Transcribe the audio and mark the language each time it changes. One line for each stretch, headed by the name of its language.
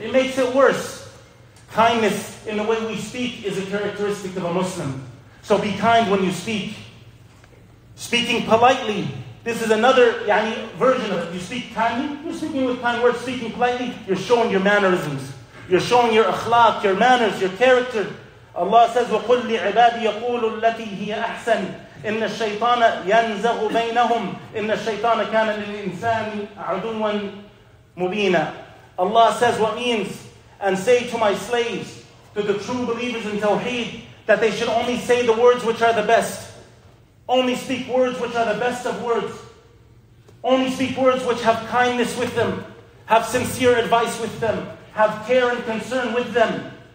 English: It makes it worse. Kindness in the way we speak is a characteristic of a Muslim. So be kind when you speak. Speaking politely, this is another version of it. You speak kindly, you're speaking with kind words. Speaking politely, you're showing your mannerisms. You're showing your akhlaq, your manners, your character. Allah says,
Arabic: وَقُلْ لِعِبَادِ يَقُولُ الَّتِي هِيَ أَحْسَنِ إِنَّ الشَّيْطَانَ يَنْزَغُ بَيْنَهُمْ إِنَّ الشَّيْطَانَ كَانَ لِلْإِنسَانِ عَدُوًا مُبِينًا.
English: Allah says what means, and say to my slaves, to the true believers in Tawheed, that they should only say the words which are the best. Only speak words which are the best of words. Only speak words which have kindness with them, have sincere advice with them, have care and concern with them.